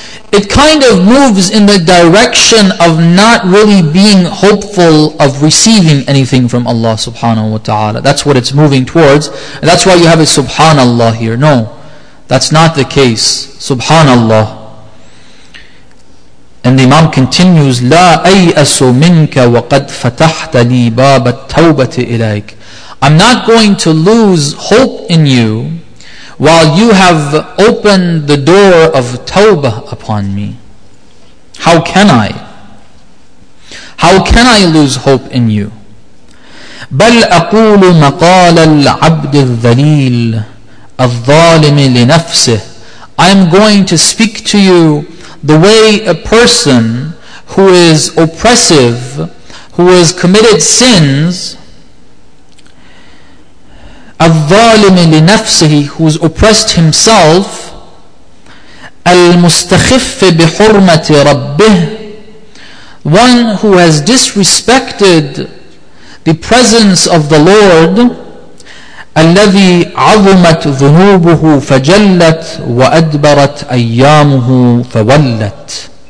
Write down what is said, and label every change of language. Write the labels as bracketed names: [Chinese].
[English] It kind of moves in the direction of not really being hopeful of receiving anything from Allah subhanahu wa ta'ala. That's what it's moving towards, and that's why you have a Subhanallah here. No, that's not the case. Subhanallah. And the Imam continues, [Arabic] لَا أَيْأَسُ مِنْكَ وَقَدْ فَتَحْتَ لِي بَابَ التَّوْبَةِ إِلَيْكَ. [English] I'm not going to lose hope in you while you have opened the door of tawbah upon me. How can I? How can I lose hope in you? [Arabic] بل أقول مقال العبد الذليل الظالم لنفسه. [English] I am going to speak to you the way a person who is oppressive, who has committed sins, [Arabic] الظالم لنفسه, [English] who has oppressed himself, [Arabic] المستخف بحرمة ربه, [English] one who has disrespected the presence of the Lord, [Arabic] الذي عظمت ذنوبه فجلت وأدبرت أيامه فولت.